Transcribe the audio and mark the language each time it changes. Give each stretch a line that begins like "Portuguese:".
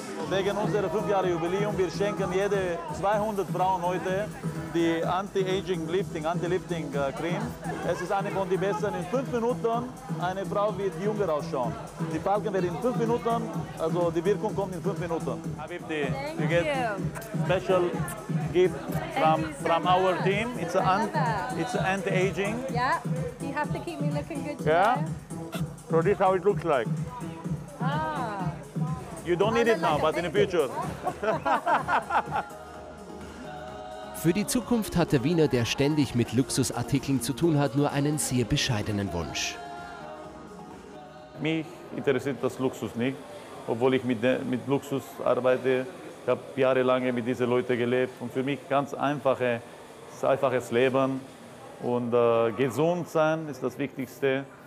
German: Wegen unserer 5-Jahre-Jubiläum, wir schenken jede 200 Frauen heute die Anti-Aging-Lifting-Creme. Es ist eine von den besten. In 5 Minuten eine Frau wird jünger ausschauen. Die Falken werden in 5 Minuten, also die Wirkung kommt in 5 Minuten.
English: Habibti, you get special gift from our team. It's anti-aging. Yeah, you have to keep me looking good today. Yeah. So this is how it looks like. You don't need it now, but in the future.
German: Für die Zukunft hat der Wiener, der ständig mit Luxusartikeln zu tun hat, nur einen sehr bescheidenen Wunsch. Mich interessiert das Luxus nicht, obwohl ich mit Luxus arbeite. Ich habe jahrelang mit diesen Leuten gelebt. Und für mich ganz einfaches Leben und gesund sein ist das Wichtigste.